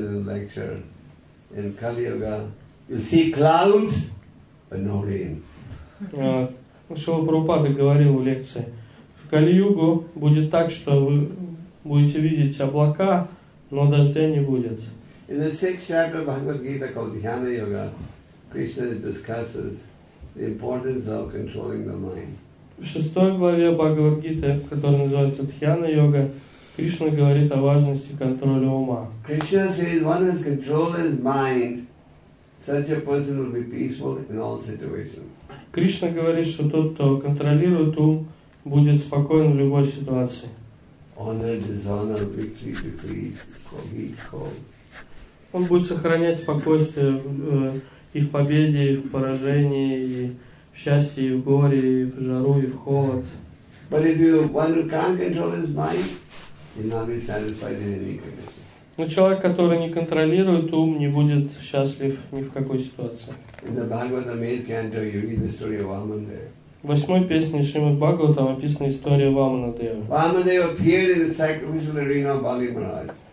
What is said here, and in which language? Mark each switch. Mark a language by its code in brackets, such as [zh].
[en] In Kali Yuga, you'll see clouds, but no rain. [ru] Шрила Прабхупада говорил в лекции, в Кали Югу будет так, что вы будете видеть облака, но дождя не будет. [en] In the sixth chapter of Bhagavad Gita called Dhyana Yuga, Krishna discusses the importance of controlling the mind. [ru] В шестой главе Бхагавад Гиты, которая называется Дхьяна Йога, Кришна говорит о важности контроля ума. [en] Krishna says, one who has controlled his mind, such a person will be peaceful in all situations. [ru] Кришна говорит, что тот, кто контролирует ум, будет спокоен в любой ситуации. [en] Honor, dishonor, victory, defeat, heat, cold. [ru] Он будет сохранять спокойствие и в победе, и в поражении, и в счастье, и в горе, и в жару, и в холод. [en] But if you, one who can't control his mind, he'll not be satisfied in any condition. [ru] Но человек, который не контролирует ум, не будет счастлив ни в какой ситуации. [en] In the Bhagavatam 8th canto, you read the story of Vamanadeva. [ru] В восьмой песне Шримад Бхагаватам описана история Вамана-дева. [en] Vamanadeva appeared in the sacrificial arena of Bali Maharaj.